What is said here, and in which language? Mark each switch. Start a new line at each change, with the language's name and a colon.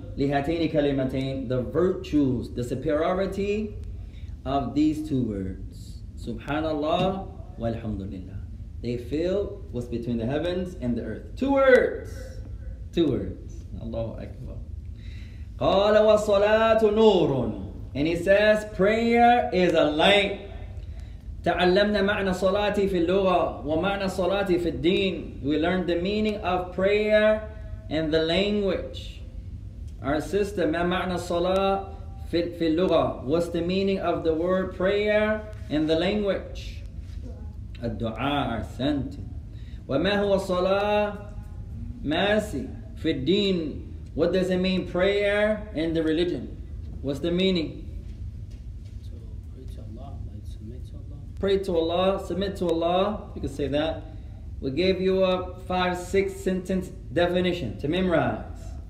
Arabic: لهاتين كلمتين,
English: the virtues, the superiority of these two words, Subhanallah walhamdulillah. They fill what's between the heavens and the earth. Two words. Two words.
Arabic: Allahu Akbar. قال والصلاة نور.
English: And he says, prayer is a light.
Arabic: تعلمنا معنى الصلاة في اللغة ومعنى الصلاة في الدين.
English: We learned the meaning of prayer in the language. Our sister,
Arabic: ما معنى الصلاة في اللغة?
English: What's the meaning of the word prayer in the language?
Arabic: الدعاء أحسنت. وما هو الصلاة ماسي في الدين?
English: What does it mean prayer in the religion? What's the meaning? Pray to Allah, submit to Allah, you can say that. We gave you a 5-6 sentence definition to memorize.